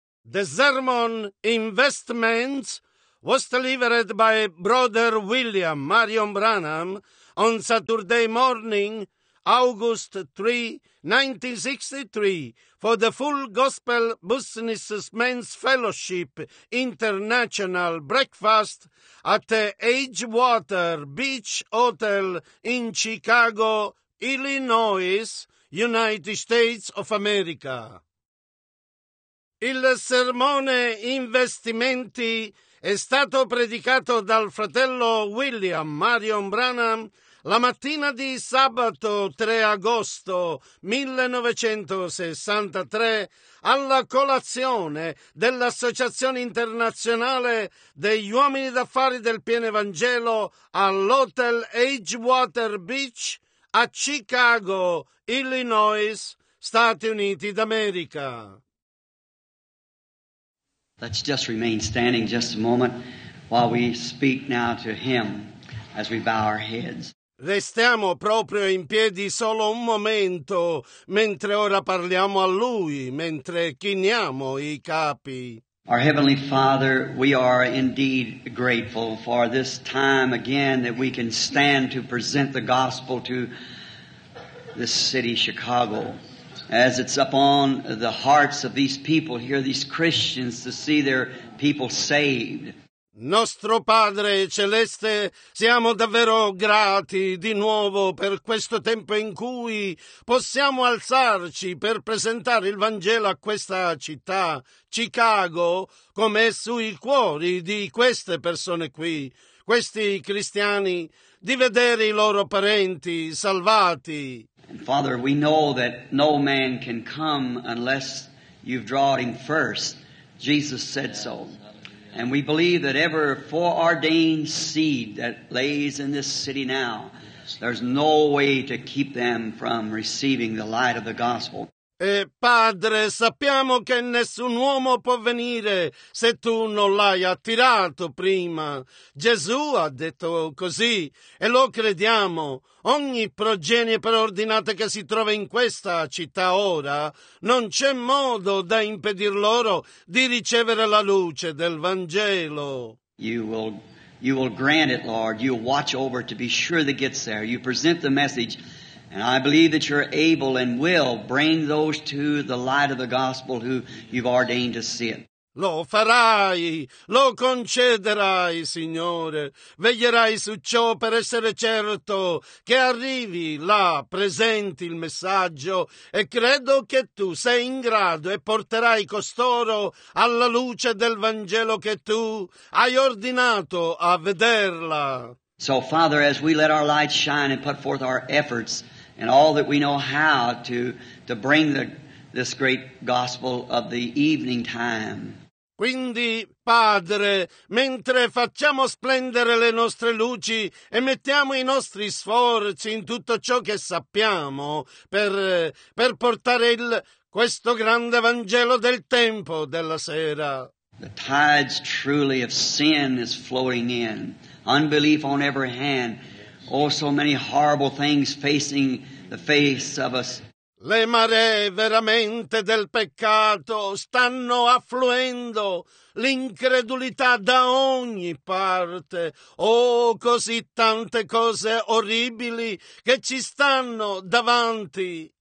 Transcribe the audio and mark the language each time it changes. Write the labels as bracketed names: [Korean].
[English] The Sermon Investments was delivered by Brother William Marion Branham on Saturday morning, August 3, 1963, for the Full Gospel Business Men's Fellowship International Breakfast at the Edgewater Beach Hotel in Chicago, Illinois, United States of America. [Italian] Il sermone Investimenti è stato predicato dal fratello William Marion Branham la mattina di sabato 3 agosto 1963 alla colazione dell'Associazione Internazionale degli Uomini d'Affari del Pieno Evangelo all'Hotel Edgewater Beach a Chicago, Illinois, Stati Uniti d'America. [English] Let's just remain standing just a moment while we speak now to him as we bow our heads. [Italian] Restiamo proprio in piedi solo un momento mentre ora parliamo a lui, mentre chiniamo i capi. [English] Our Heavenly Father, we are indeed grateful for this time again that we can stand to present the gospel to this city, Chicago. As it's upon the hearts of these people here, these Christians, to see their people saved. [Italian] Nostro Padre Celeste, siamo davvero grati di nuovo per questo tempo in cui possiamo alzarci per presentare il Vangelo a questa città, Chicago, come è sui cuori di queste persone qui, questi cristiani, di vedere i loro parenti salvati. [English] And Father, we know that no man can come unless you've drawn him first. Jesus said so. And we believe that every foreordained seed that lays in this city now, there's no way to keep them from receiving the light of the gospel. [Italian] E Padre, sappiamo che nessun uomo può venire se tu non l'hai attirato prima. Gesù ha detto così e lo crediamo. Ogni progenie preordinata che si trova in questa città ora, non c'è modo da impedir loro di ricevere la luce del Vangelo. [English] You will grant it, Lord. You watch over to be sure that gets there. You present the message. And I believe that you're able and will bring those to the light of the gospel who you've ordained to see it. [Italian] Lo farai, lo concederai, Signore. Veglierai su ciò per essere certo che arrivi là, presenti il messaggio, e credo che tu sei in grado e porterai costoro alla luce del Vangelo che tu hai ordinato a vederla. [English] So, Father, as we let our light shine and put forth our efforts, and all that we know how to bring this great gospel of the evening time. [Italian] Quindi, Padre, mentre facciamo splendere le nostre luci e mettiamo i nostri sforzi in tutto ciò che sappiamo per portare questo grande Vangelo del tempo della sera. [English] The tides truly of sin is flowing in, unbelief on every hand. Oh, so many horrible things facing the face of us. [Italian] Le maree veramente del peccato stanno affluendo, l'incredulità da ogni parte. Oh, così tante cose orribili che ci stanno davanti.